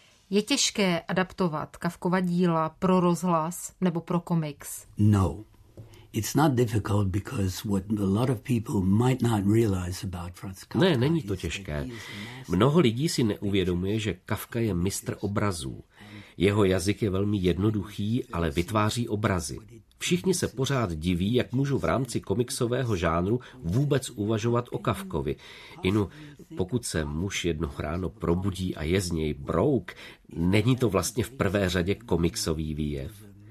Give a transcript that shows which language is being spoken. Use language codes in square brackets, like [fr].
[cs] Je těžké adaptovat Kafkova díla pro rozhlas nebo pro komiks? [en] No. It's not difficult because what a lot of people might not realize about Franz Kafka. [cs] Ne, není to těžké. Mnoho lidí si neuvědomuje, že Kafka je mistr obrazů. Jeho jazyk je velmi jednoduchý, ale vytváří obrazy. Všichni se pořád diví, jak můžu v rámci komiksového žánru vůbec uvažovat o Kafkovi. Inu, pokud se muž jedno ráno probudí a je z něj brouk, není to vlastně v prvé řadě komiksový výjev.